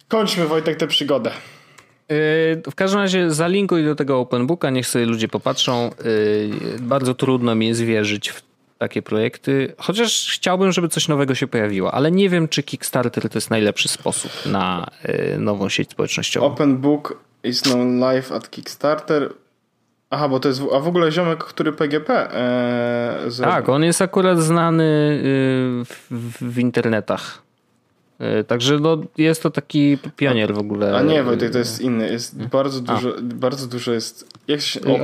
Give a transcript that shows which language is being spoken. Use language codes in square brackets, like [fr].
[pl] Kończmy, Wojtek, tę przygodę. W każdym razie zalinkuj do tego openbooka, niech sobie ludzie popatrzą. Bardzo trudno mi jest wierzyć w takie projekty. Chociaż chciałbym, żeby coś nowego się pojawiło, ale nie wiem, czy Kickstarter to jest najlepszy sposób na nową sieć społecznościową. [en] Open Book is now live at Kickstarter. [pl] Aha, bo to jest, a w ogóle ziomek, który PGP zrobił. Tak, on jest akurat znany w internetach. Także no, jest to taki pionier w ogóle. A nie, Wojtek, to jest inny. Jest bardzo dużo, bardzo dużo jest... Jak się, o.